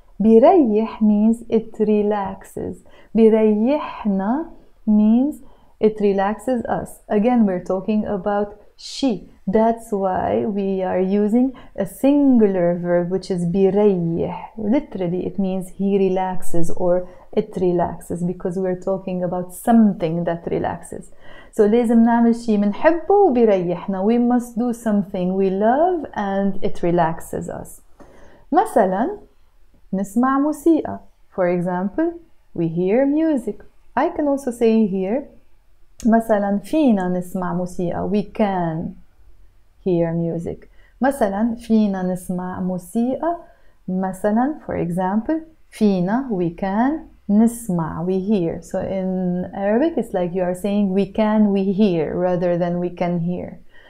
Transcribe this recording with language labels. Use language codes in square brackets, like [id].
[en] بريح means it relaxes. بريحنا means it relaxes us. Again, we're talking about she. That's why we are using a singular verb, which is بريح. Literally, it means he relaxes or it relaxes, because we're talking about something that relaxes. [ar] So لازم نعمل شيء منحبه وبيريحنا. [en] We must do something we love and it relaxes us. [ar] مثلا نسمع موسيقى. [en] For example, we hear music. I can also say here, [ar] مثلا فينا نسمع موسيقى. [en] We can hear music. [ar] مثلا فينا نسمع موسيقى. [en] مثلا, for example, فينا, we can, نسمع, we hear. So in Arabic, it's like you are saying we can, we hear, rather than we can hear.